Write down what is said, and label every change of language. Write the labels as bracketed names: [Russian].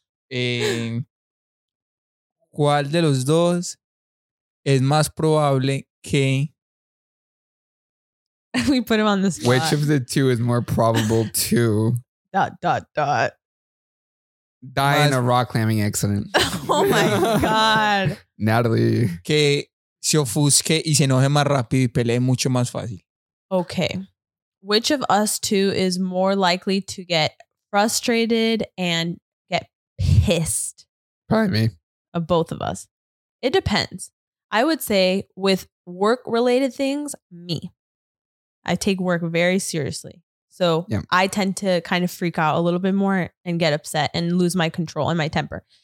[Spanish] ¿Cuál de los dos es más probable que? [English] We put him on the spot. Which of the two is more probable to? ... Die in a rock climbing accident. Oh my God. Natalie. [Spanish] Que se ofusque y se enoje más rápido y pelee mucho más fácil. [English] Okay. Which of us two is more likely to get frustrated and get pissed? Probably me. Of both of us. It depends. I would say with work related things, me. I take work very seriously. So I tend to kind of freak out a little bit more and get upset and lose my control and my temper.